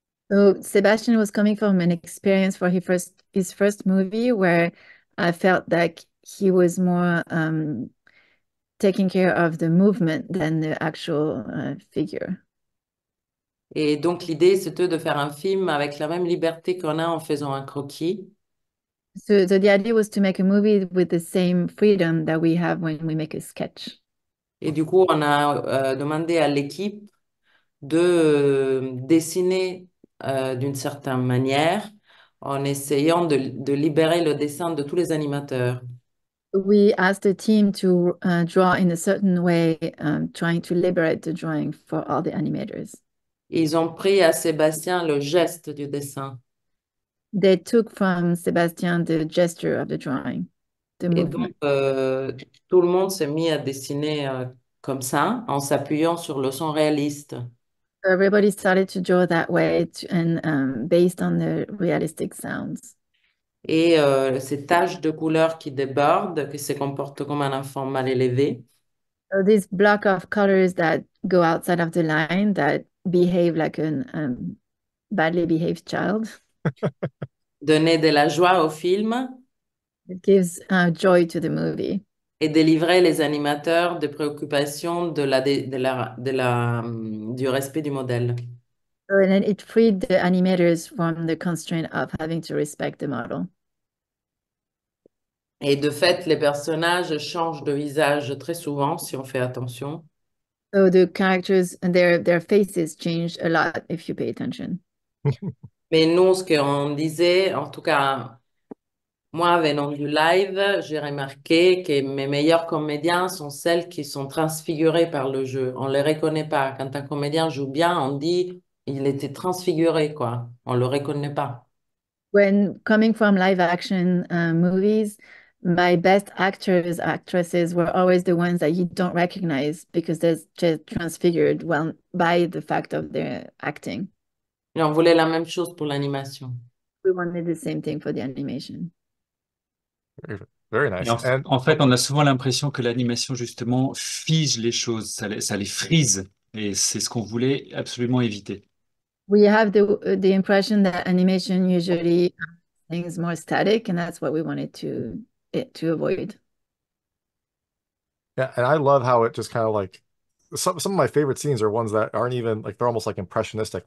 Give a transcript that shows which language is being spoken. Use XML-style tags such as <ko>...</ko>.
<en>So Sébastien was coming from an experience for his first movie where I felt like he was more taking care of the movement than the actual figure.</en> <fr>Et donc l'idée, c'était de faire un film avec la même liberté qu'on a en faisant un croquis.</fr> <en>So the idea was to make a movie with the same freedom that we have when we make a sketch.</en> <fr>Et du coup, on a demandé à l'équipe de dessiner d'une certaine manière, en essayant de libérer le dessin de tous les animateurs.</fr> <en>We asked the team to draw in a certain way, trying to liberate the drawing for all the animators.</en> <fr>Ils ont pris à Sébastien le geste du dessin.</fr> <en>They took from Sébastien the gesture of the drawing, the</en> <fr>Et donc,</fr> <en>movement.</en> <fr>tout le monde s'est mis à dessiner comme ça, en s'appuyant sur le son réaliste.</fr> <en>Everybody started to draw that way to, and based on the realistic sounds.</en> <fr>Et ces taches de couleur qui débordent, qui se comportent comme un enfant mal élevé.</fr> <en>So these block of colors that go outside of the line that behave like an badly behaved child.</en> <fr>Donner de la joie au film</fr> <en>It gives joy to the movie.</en> <fr>et délivrer les animateurs des préoccupations du respect du modèle.</fr> <en>So, and then it freed the animators from the constraint of having to respect the model.</en> <fr>Et de fait, les personnages changent de visage très souvent si on fait attention.</fr> <en>So the characters and their faces change a lot if you pay attention.</en> <fr>Mais nous, ce qu'on disait, en tout cas, moi, venant du live, j'ai remarqué que mes meilleurs comédiens sont celles qui sont transfigurées par le jeu. On ne les reconnaît pas. Quand un comédien joue bien, on dit il était transfiguré, quoi. On ne le reconnaît pas.</fr> <en>When coming from live action movies, my best actors, actresses were always the ones that you don't recognize because they're just transfigured well by the fact of their acting.</en> <fr>Et on voulait la même chose pour l'animation.</fr> <en>We wanted the same thing for the animation. Very</en> <fr>Et</fr> <en>nice. And</en> <fr>en fait, on a souvent l'impression que l'animation, justement, fige les choses, ça les frise. Et c'est ce qu'on voulait absolument éviter.</fr> <en>we have the impression that animation usually things more static, and that's what we wanted to avoid. Yeah, and I love how it just kind of like. Some of my favorite scenes are ones that aren't even like they're almost like impressionistic.</en>